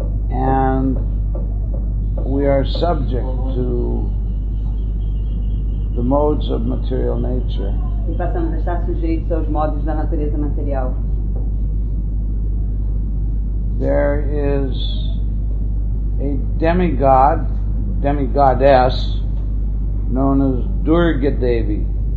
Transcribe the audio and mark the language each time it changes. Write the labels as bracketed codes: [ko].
[en] And we are subject to the modes of material nature. [pt] E passamos a estar sujeitos aos modos da natureza material. [en] There is a demigod, demigoddess, known as Durga Devi.